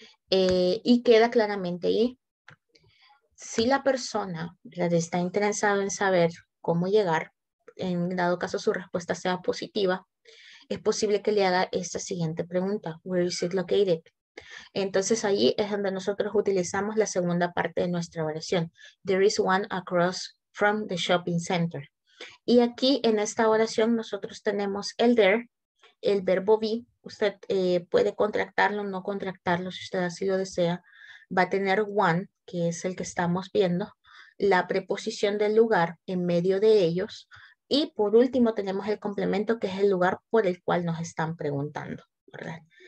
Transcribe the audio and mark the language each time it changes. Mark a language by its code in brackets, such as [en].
[es] Y queda claramente ahí. Si la persona, ¿verdad?, está interesada en saber cómo llegar, en dado caso su respuesta sea positiva, es posible que le haga esta siguiente pregunta. [en] Where is it located? [es] Entonces allí es donde nosotros utilizamos la segunda parte de nuestra oración. [en] There is one across from the shopping center. [es] Y aquí en esta oración nosotros tenemos el there, el verbo be. Usted puede contractarlo o no contractarlo si usted así lo desea. Va a tener one, que es el que estamos viendo, la preposición del lugar en medio de ellos. Y por último tenemos el complemento, que es el lugar por el cual nos están preguntando, ¿verdad?